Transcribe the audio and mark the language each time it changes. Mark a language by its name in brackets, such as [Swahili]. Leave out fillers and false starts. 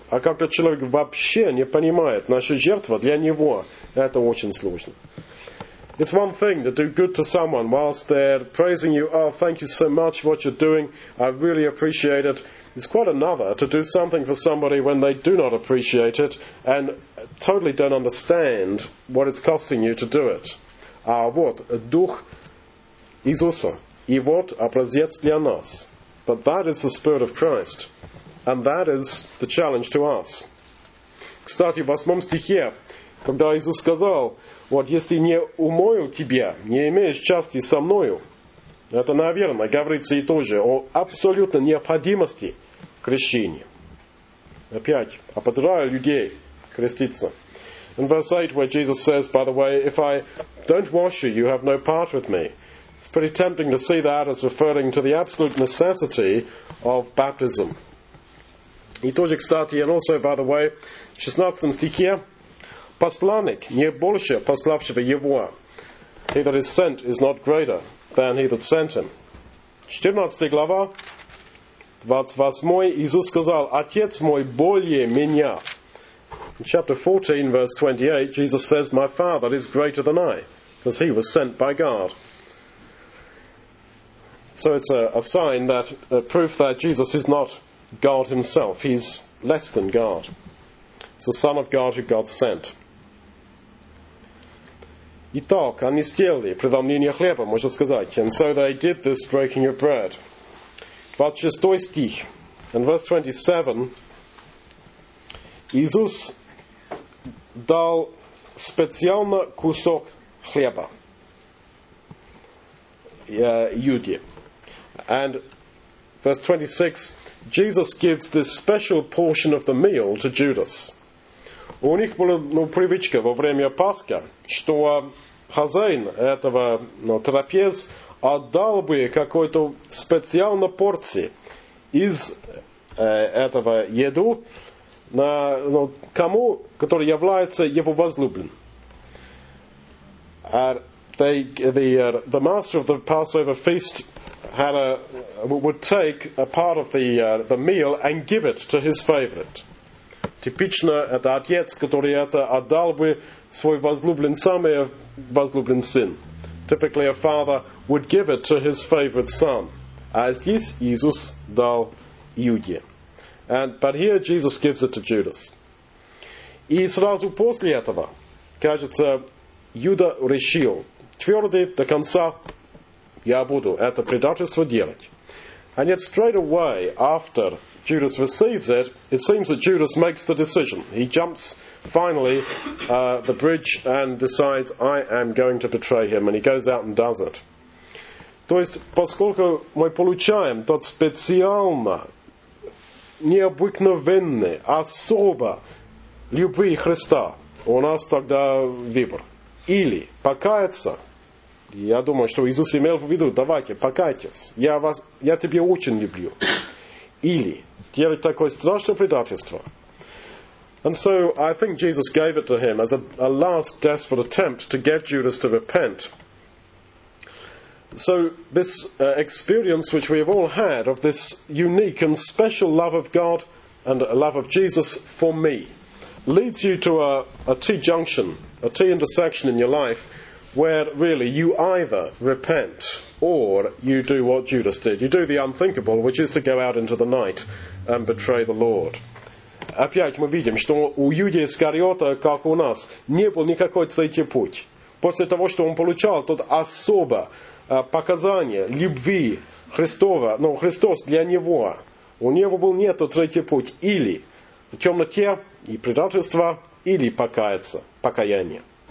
[Russian] А когда человек вообще не понимает, наша жертва для него, это очень сложно. [English] It's one thing to do good to someone whilst they're praising you, oh, thank you so much for what you're doing, I really appreciate it. It's quite another to do something for somebody when they do not appreciate it and totally don't understand what it's costing you to do it. [Russian] А вот дух Иисуса, и вот образец для нас. [English] But that is the Spirit of Christ, and that is the challenge to us. [Russian] Кстати, в 8 стихе, когда Иисус сказал, вот если не умою тебя, не имеешь части со мною, это, наверное, говорится и тоже о абсолютной необходимости крещения. Опять, ободряю людей креститься. [English] In verse 8, where Jesus says, by the way, if I don't wash you, you have no part with me. It's pretty tempting to see that as referring to the absolute necessity of baptism. [Russian] И тоже, кстати, [English] and also, by the way, [Russian] 16 стихе, посланник не больше пославшего его. [English] He that is sent is not greater than he that sent him. [Russian] 14 глава, 28, Иисус сказал, Отец мой более меня. [English] In chapter 14, verse 28, Jesus says, My Father is greater than I, because he was sent by God. So it's a proof that Jesus is not God himself. He's less than God. It's the Son of God who God sent. [Russian] Итак, они сделали преломление хлеба, можно сказать. [English] And so they did this breaking of bread. [Russian] 26 стих. [English] In verse 27, [Russian] Иисус дал специально кусок хлеба Иуде. [English] And verse 26, Jesus gives this special portion of the meal to Judas. [Russian] У них была привычка во время Пасхи, что хозяин этого трапез отдал бы какую-то специальную порцию из этого еду на кому, который является его возлюбленным. [English] The master of the Passover feast had would take a part of the meal and give it to his favorite. [Russian] Типично, это отец, который это отдал бы свой возлюбленный, самый возлюбленный сын. [English] Typically, a father would give it to his favorite son. [Russian] А здесь Иисус дал Иуде. [English] But here, Jesus gives it to Judas. [Russian] И сразу после этого, кажется, Иуда решил, твердый до конца, я буду это предательство делать. [English] And yet straight away after Judas receives it, it seems that Judas makes the decision. He jumps finally the bridge and decides, I am going to betray him. And he goes out and does it. [Russian] То есть, поскольку мы получаем тот специально необыкновенный, особо любви Христа, у нас тогда выбор. Или покаяться. Я думаю, что Иисус имел в виду, давайте, покайтесь, я тебя очень люблю. Или делать такое страшное предательство. [English] And so I think Jesus gave it to him as a last desperate attempt to get Judas to repent. So this experience which we have all had of this unique and special love of God and a love of Jesus for me leads you to a T-junction, a T-intersection in your life where really you either repent or you do what Judas did. You do the unthinkable, which is to go out into the night and betray the Lord. [Russian] Опять мы видим, что у Юдии Искариота, как у нас, не был никакой третий путь. После того, что он получал тот особо показание любви Христова, ну, Христос для него, у него был нету третий путь. Или в темноте и предательство, или покаяться, покаяние.